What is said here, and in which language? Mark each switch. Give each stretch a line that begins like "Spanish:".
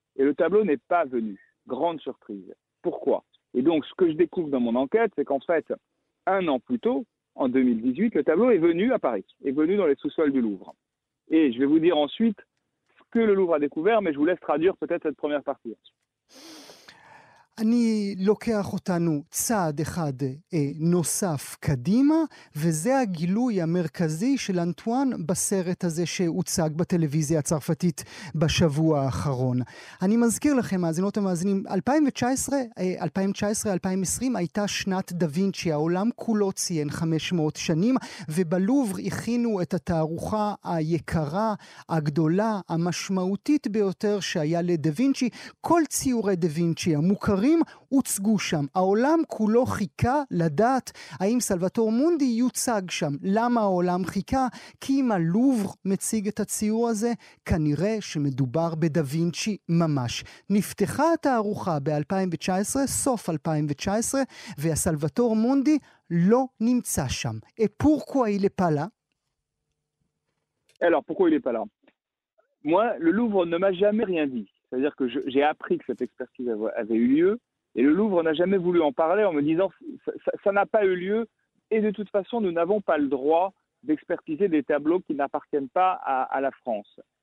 French: Et le tableau n'est pas venu. Grande surprise. Pourquoi ? Et donc, ce que je découvre dans mon enquête, c'est qu'en fait, un an plus tôt, en 2018, le tableau est venu à Paris, est venu dans les sous-sols du Louvre. Et je vais vous dire ensuite ce que le Louvre a découvert, mais je vous laisse traduire peut-être cette première partie.
Hebrew: אני לוקח אותנו צעד אחד נוסף קדימה, וזה הגילוי המרכזי של אנטואן בסרט הזה שהוצג בטלוויזיה הצרפתית בשבוע האחרון. אני מזכיר לכם, מאזינות המאזינים, 2019-2020 הייתה שנת דה וינצ'י, העולם כולו ציין 500 שנים, ובלובר הכינו את התערוכה היקרה, הגדולה, המשמעותית ביותר שהיה לדה וינצ'י. כל ציורי דה וינצ'י המוכרים הוצגו שם. העולם כולו חיכה לדעת האם סלבטור מונדי יוצג שם. למה העולם חיכה? כי אם הלובר מציג את הציור הזה, כנראה שמדובר בדה וינצ'י ממש. נפתחה התערוכה ב-2019, סוף 2019, והסלבטור מונדי לא נמצא שם.
French: Et pourquoi il est pas là? Alors, pourquoi il est pas là? Moi, le Louvre ne m'a jamais rien dit. C'est-à-dire que j'ai appris que cette expertise avait eu lieu et le Louvre n'a jamais voulu en parler en me disant ça n'a pas eu lieu et de toute façon, nous n'avons pas le droit d'expertiser des tableaux qui n'appartiennent pas à la France.